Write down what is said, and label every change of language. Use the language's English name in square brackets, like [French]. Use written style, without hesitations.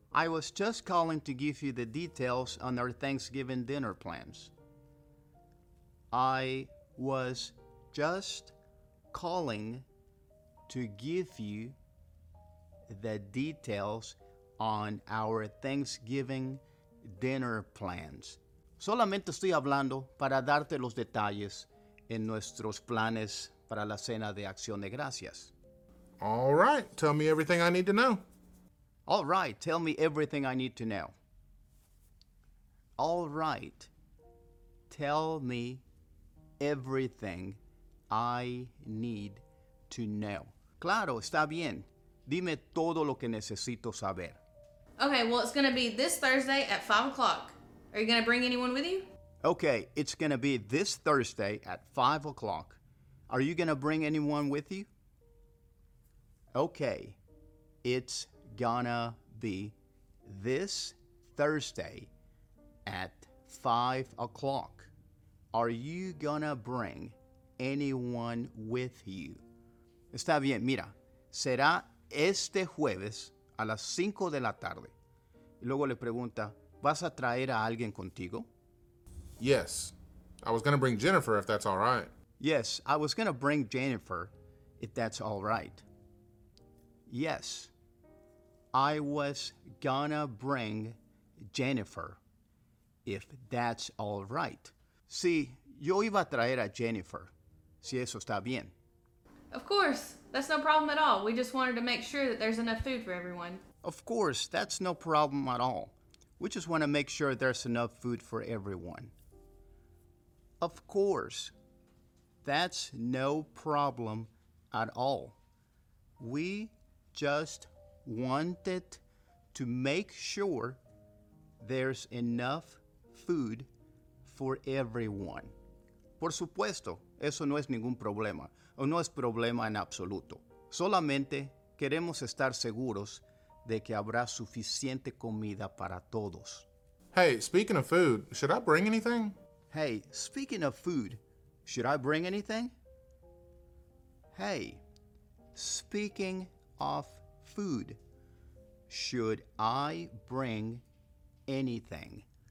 [English] I was just calling to give you the details on our Thanksgiving dinner plans. I was just calling to give you the details on our Thanksgiving dinner plans. [Spanish] Solamente estoy hablando para darte los detalles en nuestros planes para la cena de Acción de Gracias. [English] All right, tell me everything I need to know. All right, tell me everything I need to know. All right, tell me everything I need to know. [Spanish] Claro, está bien. Dime todo lo que necesito saber. [English] Okay, well, it's going to be this Thursday at 5 o'clock. Are you going to bring anyone with you? Okay, it's going to be this Thursday at 5 o'clock. Are you going to bring anyone with you? Okay, it's gonna be this Thursday at 5 o'clock. Are you gonna bring anyone with you? [Spanish] Está bien, mira, será este jueves a las 5 de la tarde. Y luego le pregunta, ¿vas a traer a alguien contigo? [English] Yes, I was gonna bring Jennifer if that's all right. Yes, I was gonna bring Jennifer if that's all right. Yes, I was gonna bring Jennifer, if that's all right. [Spanish] Sí, yo iba a traer a Jennifer, si eso está bien. [English] Of course, that's no problem at all. We just wanted to make sure that there's enough food for everyone. Of course, that's no problem at all. We just want to make sure there's enough food for everyone. Of course, that's no problem at all. We just wanted to make sure there's enough food for everyone. [Spanish] Por supuesto, eso no es ningún problema, o no es problema en absoluto. Solamente queremos estar seguros de que habrá suficiente comida para todos. [English] Hey, speaking of food, should I bring anything? Hey, speaking of food, should I bring anything? Hey, speaking of food, should I bring anything?